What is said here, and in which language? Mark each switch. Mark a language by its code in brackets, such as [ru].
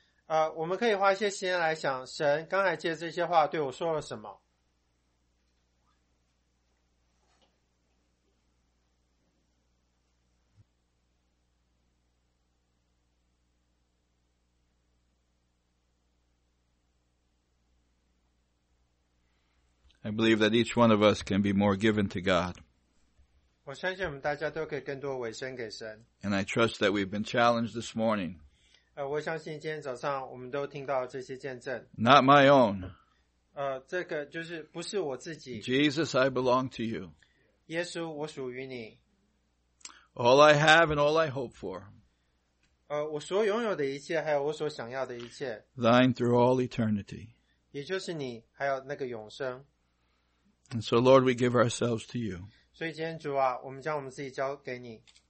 [en] I believe that each one of us can be more given to God. And I trust that we've been challenged this morning. [zh] 我相信今天早上我们都听到这些见证。 [en] Not my own. [zh] 这个就是不是我自己。 [en] Jesus, I belong to you. [zh] 耶稣，我属于你。 [en] All I have and all I hope for. [zh] 我所拥有的一切，还有我所想要的一切。 [en] Thine through all eternity. [zh] 也就是你，还有那个永生。 [en] And so, Lord, we give ourselves to you. [zh] 所以今天主啊，我们将我们自己交给你。